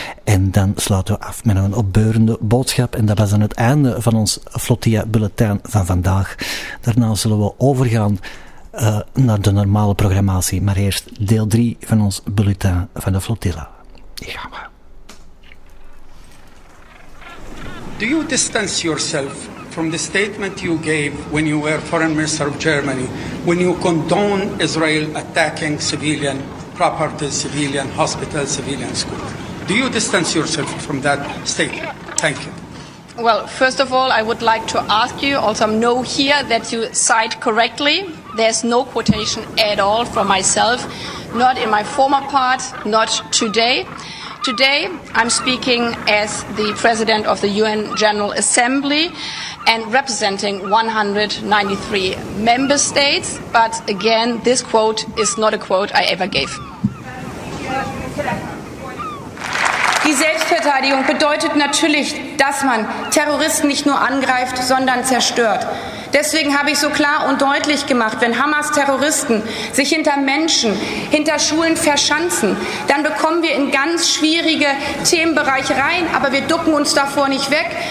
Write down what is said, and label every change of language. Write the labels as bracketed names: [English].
[Dutch] En dan sluiten we af met een opbeurende boodschap en dat was dan het einde van ons Flotilla bulletin van vandaag. Daarna zullen we overgaan naar de normale programmatie, maar eerst deel 3 van ons bulletin van de Flotilla. Hier gaan we. [English] Do you distance yourself from the statement you gave when you were foreign minister of Germany, when you condone Israel attacking civilian property, civilian hospitals, civilian schools? Do you distance yourself from that statement? Thank you. Well, first of all, I would like to ask you, also know here that you cite correctly. There's no quotation at all from myself, not in my former part, not today. Today, I'm speaking as the president of the UN General Assembly and representing 193 member states. But again, this quote is not a quote I ever gave. [German] Die Selbstverteidigung bedeutet natürlich, dass man Terroristen nicht nur angreift, sondern zerstört. Deswegen habe ich so klar und deutlich gemacht, wenn Hamas-Terroristen sich hinter Menschen, hinter Schulen verschanzen, dann bekommen wir in ganz schwierige Themenbereiche rein, aber wir ducken uns davor nicht weg.